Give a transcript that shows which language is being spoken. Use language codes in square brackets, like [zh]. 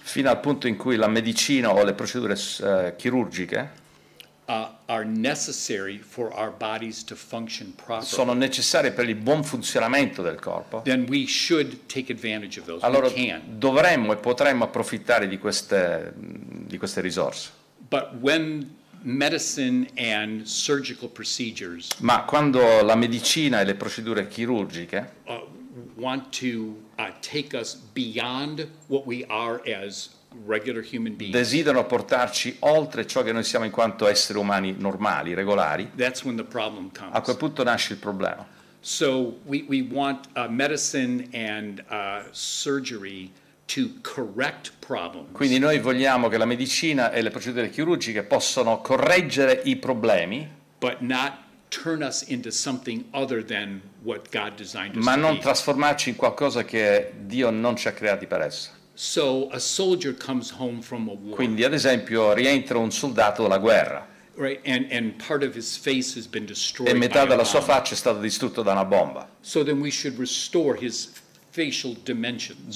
[it] fino al punto in cui la medicina o le procedure chirurgiche [en] are necessary for our bodies to function properly, [it] sono necessarie per il buon funzionamento del corpo, [en] then we should take advantage of those. [it] Allora [en] we can. [it] Dovremmo e potremmo approfittare di queste risorse. [en] But when medicine and surgical procedures. [it] Ma quando la medicina e le procedure chirurgiche [en] want to take us beyond what we are as regular human beings. [it] Desiderano portarci oltre ciò che noi siamo in quanto esseri umani normali, regolari. [en] That's when the problem comes. [it] A quel punto nasce il problema. [en] So we want medicine and surgery to correct problems. [it] Quindi noi vogliamo che la medicina e le procedure chirurgiche possano correggere i problemi, [en] but not turn us into something other than what God designed us to [it] be. Ma non trasformarci in qualcosa che Dio non ci ha creati per essere. [en] So a soldier comes home from a war. [it] Quindi ad esempio rientra un soldato dalla guerra. [en] Right, and part of his face has been destroyed. [it] E metà della sua faccia è stata distrutta da una bomba. [en] So then we should restore his facial dimensions.